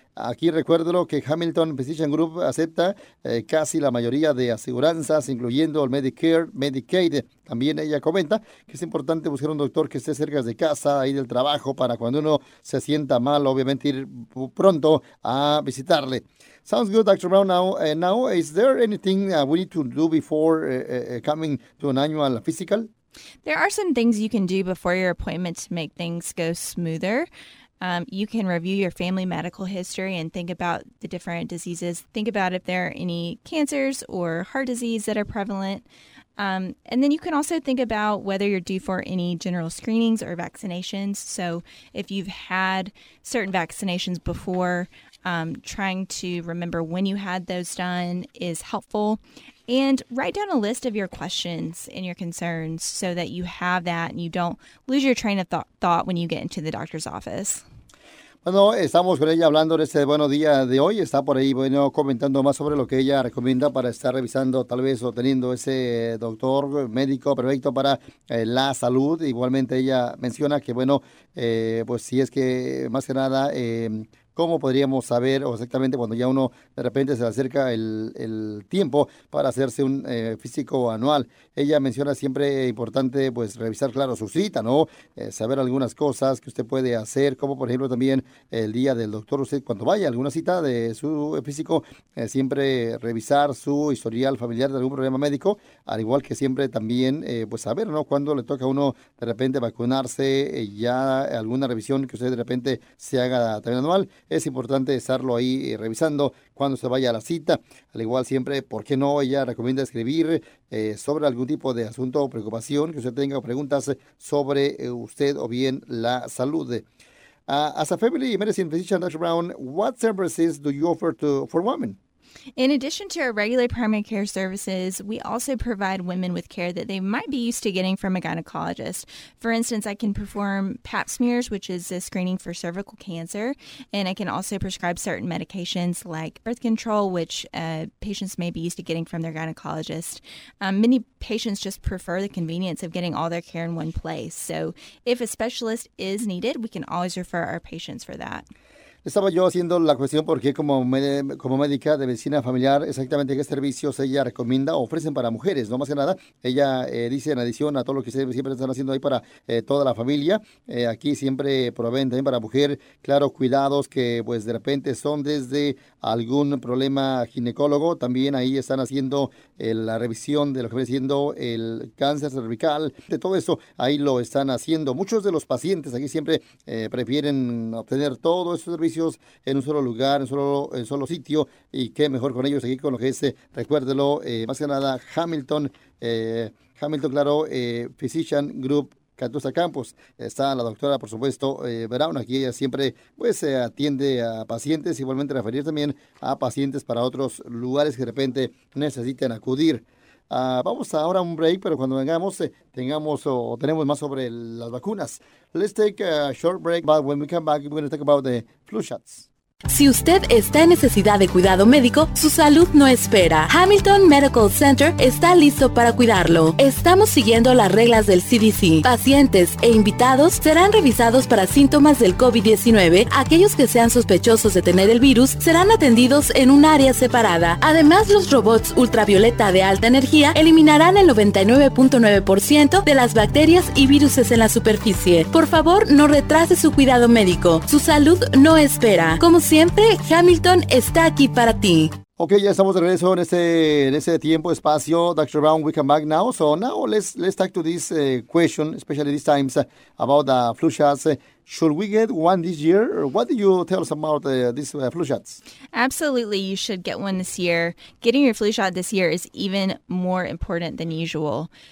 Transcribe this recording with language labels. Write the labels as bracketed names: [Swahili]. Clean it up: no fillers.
[Spanish] Aquí recuérdelo que Hamilton Physician Group acepta casi la mayoría de aseguranzas, incluyendo el Medicare, Medicaid. También ella comenta que es importante buscar un doctor que esté cerca de casa, ahí del trabajo, para cuando uno se sienta mal, obviamente ir pronto a visitarle. [English] Sounds good, Dr. Brown. Now, is there anything we need to do before coming to an annual physical? There are some things you can do before your appointment to make things go smoother. You can review your family medical history and think about the different diseases. Think about if there are any cancers or heart disease that are prevalent. And then you can also think about whether you're due for any general screenings or vaccinations. So if you've had certain vaccinations before, trying to remember when you had those done is helpful. And write down a list of your questions and your concerns so that you have that and you don't lose your train of thought when you get into the doctor's office. [Spanish] Bueno, estamos con ella hablando de este bueno día de hoy. Está por ahí, bueno, comentando más sobre lo que ella recomienda para estar revisando, tal vez, o teniendo ese doctor médico perfecto para la salud. Igualmente, ella menciona que, bueno, pues si es que más que nada, ¿cómo podríamos saber o exactamente cuando ya uno de repente se acerca el tiempo para hacerse un físico anual? Ella menciona siempre importante pues revisar, claro, su cita, ¿no? Saber algunas cosas que usted puede hacer, como por ejemplo también el día del doctor, usted cuando vaya a alguna cita de su físico, siempre revisar su historial familiar de algún problema médico, al igual que siempre también pues saber, ¿no? Cuando le toca a uno de repente vacunarse, ya alguna revisión que usted de repente se haga también anual. Es importante estarlo ahí revisando cuando se vaya a la cita. Al igual siempre, ¿por qué no? Ella recomienda escribir sobre algún tipo de asunto o preocupación que usted tenga o preguntas sobre usted o bien la salud. [English] As a family medicine physician, Dr. Brown, what services do you offer to for women? In addition to our regular primary care services, we also provide women with care that they might be used to getting from a gynecologist. For instance, I can perform pap smears, which is a screening for cervical cancer, and I can also prescribe certain medications like birth control, which patients may be used to getting from their gynecologist. Many patients just prefer the convenience of getting all their care in one place. So if a specialist is needed, we can always refer our patients for that. [Spanish] Estaba yo haciendo la cuestión porque como médica de medicina familiar, exactamente qué servicios ella recomienda o ofrecen para mujeres, no más que nada. Ella dice, en adición a todo lo que siempre están haciendo ahí para toda la familia, aquí siempre proveen también para mujer, claro, cuidados que pues de repente son desde algún problema ginecólogo. También ahí están haciendo la revisión de lo que viene siendo el cáncer cervical, de todo eso, ahí lo están haciendo. Muchos de los pacientes aquí siempre prefieren obtener todo eso servicios en un solo lugar, en solo sitio, y qué mejor con ellos aquí con lo que es, recuérdelo, más que nada, Hamilton, claro, Physician Group Catusa Campos. Está la doctora, por supuesto, Brown, aquí ella siempre pues atiende a pacientes, igualmente referir también a pacientes para otros lugares que de repente necesiten acudir. Vamos ahora a un break, pero cuando vengamos, tenemos más sobre las vacunas. [English] Let's take a short break, but when we come back, we're going to talk about the flu shots. [Spanish] Si usted está en necesidad de cuidado médico, su salud no espera. Hamilton Medical Center está listo para cuidarlo. Estamos siguiendo las reglas del CDC. Pacientes e invitados serán revisados para síntomas del COVID-19. Aquellos que sean sospechosos de tener el virus serán atendidos en un área separada. Además, los robots ultravioleta de alta energía eliminarán el 99.9% de las bacterias y virus en la superficie. Por favor, no retrase su cuidado médico. Su salud no espera. Como siempre, Hamilton está aquí para ti. Ok, ya estamos de regreso en este tiempo, espacio. [English] Dr. Brown, we come back now. So now let's talk to this question, especially these times, about the flu shots. Should we get one this year? What do you tell us about these flu shots? Absolutely, you should get one this year. Getting your flu shot this year is even more important than usual.